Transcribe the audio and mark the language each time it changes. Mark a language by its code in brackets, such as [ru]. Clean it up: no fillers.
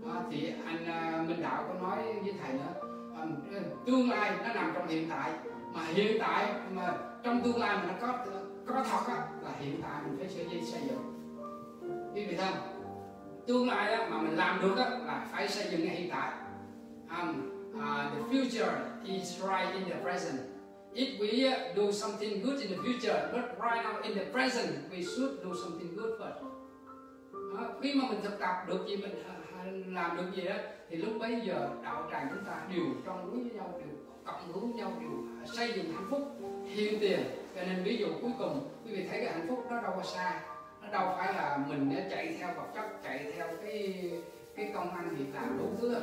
[vi] Thì anh Minh Đạo có nói với thầy nữa, tương lai nó nằm trong hiện tại. Mà hiện tại, mà trong tương lai mà nó có thật á, là hiện tại mình phải xây dựng. Quý vị thân, tương lai á, mà mình làm được á, là phải xây dựng ngay hiện tại. [en] The future is right in the present. If we do something good in the future, but right now in the present, we should do something good first. [vi] Khi mà mình thực tập được gì, mình làm được gì á, thì lúc bấy giờ đạo tràng chúng ta đều trong quý với nhau, đều cộng hướng nhau, đều xây dựng hạnh phúc hiện tiền. Cho nên ví dụ cuối cùng quý vị thấy cái hạnh phúc nó đâu có xa, nó đâu phải là mình đã chạy theo vật chất, chạy theo cái công ăn việc làm đủ thứ.